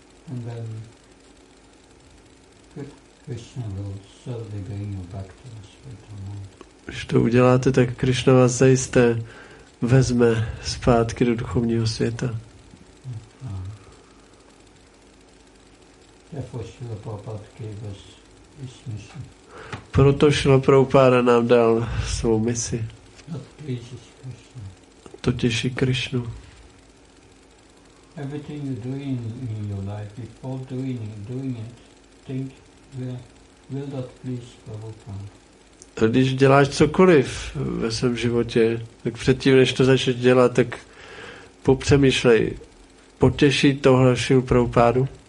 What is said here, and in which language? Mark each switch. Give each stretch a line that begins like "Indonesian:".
English: And then Krishna will certainly bring you back to the spiritual world.
Czech: Když to uděláte, tak Krishna vás zajisté vezme zpátky do duchovního světa.
English: Therefore Srila Prabhupada gave us his mission.
Czech: Proto Srila Prabhupada nám dal svou misi.
English: That pleases Krishna.
Czech: To těší Krishnu.
English: Everything you're doing in your life, before doing it, think, will that please Prabhupada?
Czech: Když děláš cokoliv ve svém životě, tak předtím, než to začneš dělat, tak popřemýšlej, potěší tohle Srila Prabhupádu?